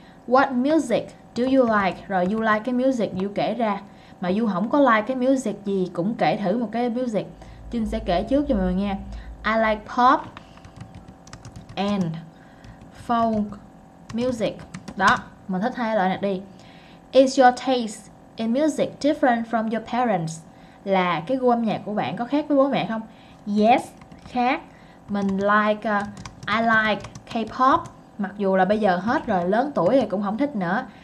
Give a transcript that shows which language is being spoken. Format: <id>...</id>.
<en>What music do you like? Rồi you like cái music you kể ra.</en> <vi>Mà you không có like cái music gì cũng kể thử một cái music. Trinh sẽ kể trước cho mọi người nghe.</vi> <en>I like pop and folk music.</en> <vi>Đó, mình thích hai loại này đi.</vi> <en>Is your taste in music different from your parents?</en> <vi>Là cái gu âm nhạc của bạn có khác với bố mẹ không? Yes, khác. Mình like,</vi> <en>I like K-pop.</en> <vi>Mặc dù là bây giờ hết rồi, lớn tuổi thì cũng không thích nữa.</vi>